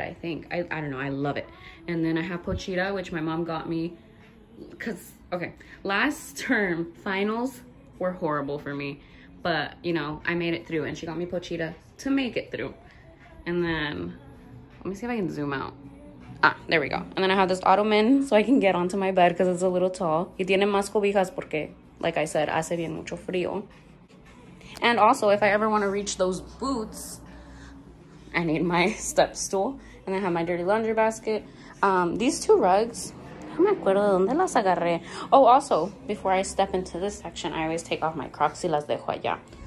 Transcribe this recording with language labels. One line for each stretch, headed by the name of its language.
English: I think I don't know, I love it. And then I have Pochita, which my mom got me because, okay, last term finals were horrible for me, but you know, I made it through, and she got me Pochita to make it through. And then let me see if I can zoom out. Ah, there we go. And then I have this ottoman so I can get onto my bed because it's a little tall.
Spanish: Y tiene más cobijas porque,
English: like I said,
Spanish: hace bien mucho frío.
English: And also, if I ever want to reach those boots, I need my step stool. And I have my dirty laundry basket. These two rugs,
Spanish: no me acuerdo de donde las agarré.
English: Oh, also, before I step into this section, I always take off my Crocs
Spanish: y las dejo allá.